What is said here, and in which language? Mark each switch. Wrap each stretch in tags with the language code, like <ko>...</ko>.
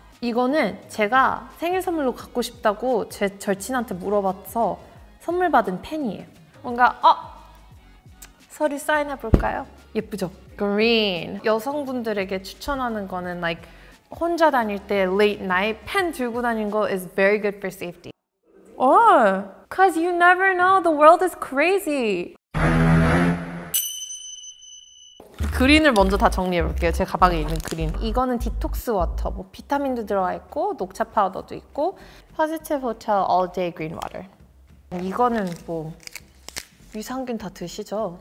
<ko>이거는 제가 생일 선물로 갖고 싶다고 제 절친한테 물어봐서 선물 받은 펜이에요. 뭔가 서류 사인해볼까요? 예쁘죠? 그린! 여성분들에게 추천하는 거는</ko> <en>like</en> <ko>혼자 다닐 때</ko> <en>late night</en> <ko>펜 들고 다닌 거</ko> <en>is very good for safety. Cause you never know, the world is crazy.</en> <ko>그린을 먼저 다 정리해볼게요. 제 가방에 있는 그린. 이거는 디톡스 워터. 뭐 비타민도 들어가 있고 녹차 파우더도 있고 Positive Hotel All Day Green Water. 이거는 뭐 유산균 다 드시죠?</ko>